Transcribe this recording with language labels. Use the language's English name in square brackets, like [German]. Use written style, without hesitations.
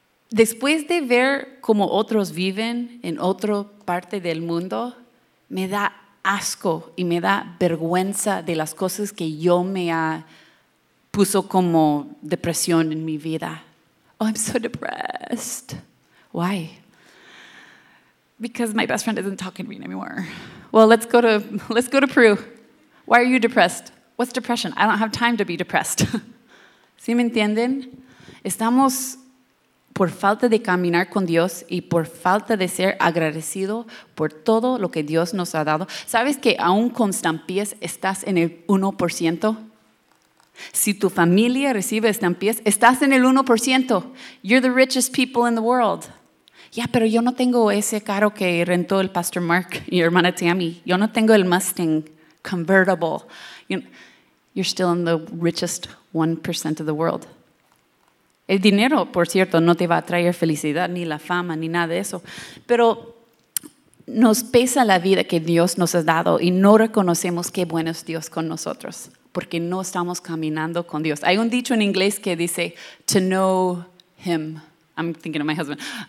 [Spanish] Después de ver cómo otros viven en otra parte del mundo, me da asco y me da vergüenza de las cosas que yo me puso como depresión en mi vida. [English] Oh, I'm so depressed. Why? Because my best friend isn't talking to me anymore. Well, let's go to Peru. Why are you depressed? What's depression? I don't have time to be depressed. [Spanish] ¿Sí me entienden? Estamos por falta de caminar con Dios y por falta de ser agradecido por todo lo que Dios nos ha dado. ¿Sabes que aún con estampillas estás en el 1%? Si tu familia recibe estampillas, estás en el 1%. [English] You're the richest people in the world. [Spanish] Ya, pero yo no tengo ese carro que rentó el Pastor Mark y hermana Tammy. Yo no tengo el Mustang convertible. [English] You're still in the richest 1% of the world. [Spanish] El dinero, por cierto, no te va a traer felicidad, ni la fama, ni nada de eso. Pero nos pesa la vida que Dios nos ha dado y no reconocemos qué bueno es Dios con nosotros, porque no estamos caminando con Dios. Hay un dicho en inglés que dice, [English] to know him. I'm thinking of my husband.